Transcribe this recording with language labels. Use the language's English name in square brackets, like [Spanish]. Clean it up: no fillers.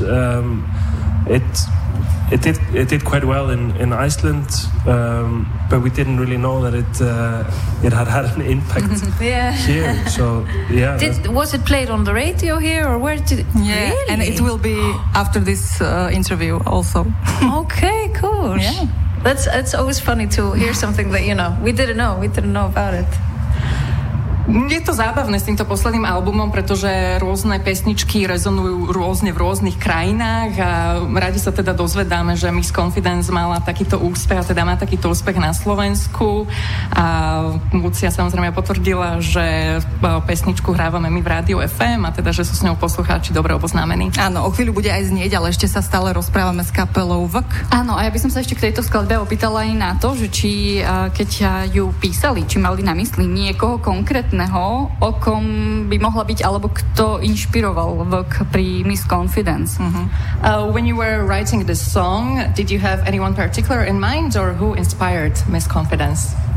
[English] It did quite well in Iceland, but we didn't really know that it had an impact yeah. here. So yeah, was it played on the radio here, or where did? Yeah, really? And it will be after this interview also. Okay, cool. Yeah, that's always funny to hear something that, you know, we didn't know about it. [Slovak] Je to zábavné s týmto posledným albumom, pretože rôzne pesničky rezonujú rôzne v rôznych krajinách a radi sa teda dozvedáme, že Miss Confidence mala takýto úspech a teda má takýto úspech na Slovensku a Lucia samozrejme potvrdila, že pesničku hrávame my v Rádiu FM a teda, že sú s ňou poslucháči dobre oboznámení. Áno, o chvíľu bude aj znieť, ale ešte sa stále rozprávame s kapelou VK. Áno, a ja by som sa ešte k tejto skladbe opýtala aj na to, že či keď ju písali, či mali na mysli niekoho konkrétne, o kom by mohla byť alebo kto inšpiroval VK pri Miss Confidence. Mm-hmm. [English] When you were writing this song, did you have anyone particular in mind or who inspired Miss Confidence?